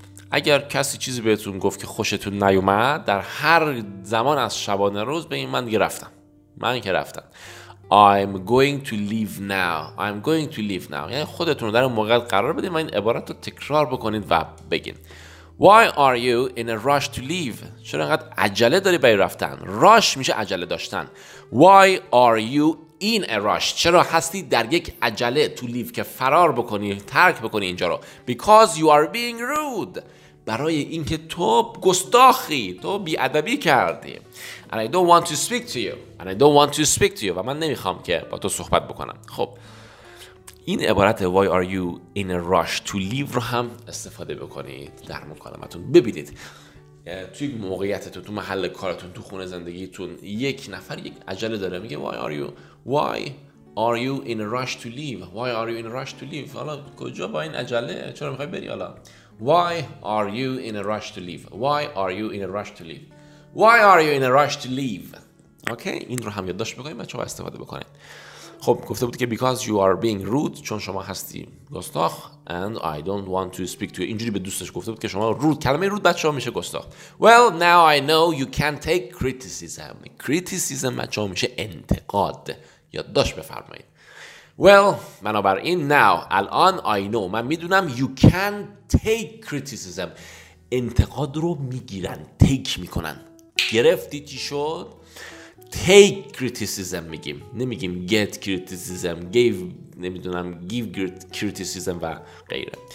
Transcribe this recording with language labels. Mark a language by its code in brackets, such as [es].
[fa] اگر کسی چیزی بهتون گفت که خوشتون نیومد، در هر زمان از شبانه روز به این من دیگه رفتم. من که رفتم. [en] I'm going to leave now. I'm going to leave now. [fa] یعنی خودتون رو در اون موقع قرار بدید و این عبارت رو تکرار بکنید و بگین. [en] Why are you in a rush to leave? [fa] چرا انقدر عجله داری برای رفتن؟ rush میشه عجله داشتن. [en] Why are you in a rush? [fa] چرا هستی در یک عجله [en] to leave [fa] که فرار بکنی، ترک بکنی اینجا رو؟ [en] Because you are being rude. [fa] برای اینکه تو گستاخی، تو بی‌ادبی کردی. [en] And I don't want to speak to you. And I don't want to speak to you. [fa] و من نمیخوام که با تو صحبت بکنم. خب این عبارت [en] Why are you in a rush to leave [fa] رو هم استفاده بکنید در مکالمتون. ببینید توی موقعیتتون، تو محل کارتون، تو خونه زندگیتون، یک نفر یک عجله داره، میگه [en] Why are you in a rush to leave? Why are you in a rush to leave? [fa] حالا کجا با این عجله؟ چرا میخوای بری حالا؟ [en] Why are you in a rush to leave? Why are you in a rush to leave? Why are you in a rush to leave? [fa] Okay, این رو هم یادداشت بکنید، بچه‌ها استفاده بکنید. خب گفته بود که because you are being rude، چون شما هستی گستاخ. [en] And I don't want to speak to you. [fa] اینجوری به دوستش گفته بود که شما rude، کلمه rude بچه‌ها میشه گستاخ. [en] Well, now I know you can take criticism. [fa] Criticism بچه‌ها میشه انتقاد. یادداشت بفرمایید. [en] Well, [fa] بنابراین [en] now، [fa] الان [en] I know، [fa] من میدونم [en] you can take criticism. [fa] انتقاد رو میگیرن، take میکنن. گرفتی چی شد؟ take criticism میگیم، نمیگیم get criticism، give criticism و غیره.